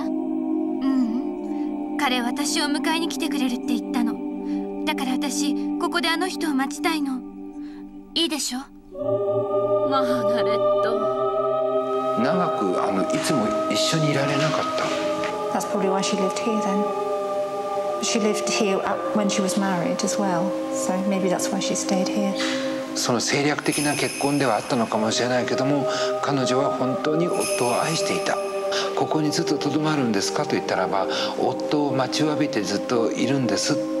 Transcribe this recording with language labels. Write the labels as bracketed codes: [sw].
[ja] ううん、彼私を迎えに来てくれるって言ったの。だから私ここであの人を待ちたいの。いいでしょ。マーガレット、長くあのいつも一緒にいられなかった。 [en] That's probably why she lived here then. She lived here when she was married as well. So maybe that's why she stayed here. [ja] その政略的な結婚ではあったのかもしれないけども彼女は本当に夫を愛していた。ここにずっと留まるんですかと言ったらば夫を待ちわびてずっといるんです。